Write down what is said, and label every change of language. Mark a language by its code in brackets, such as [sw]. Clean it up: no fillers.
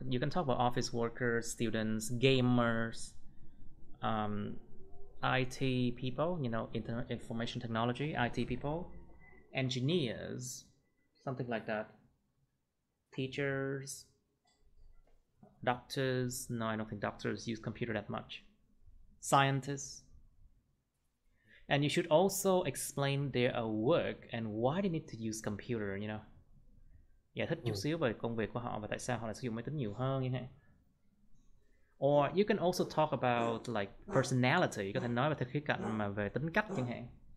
[en] You can talk about office workers, students, gamers, IT people, you know, information technology, IT people, engineers, something like that. Teachers, doctors. No, I don't think doctors use computer that much. Scientists. And you should also explain their work and why they need to use computer, you know. [vi] Giải thích chút xíu về công việc của họ và tại sao họ lại sử dụng máy tính nhiều hơn như thế. [en] Or you can also talk about like personality. [vi] You có thể nói về theo khía cạnh mà về tính cách chẳng hạn.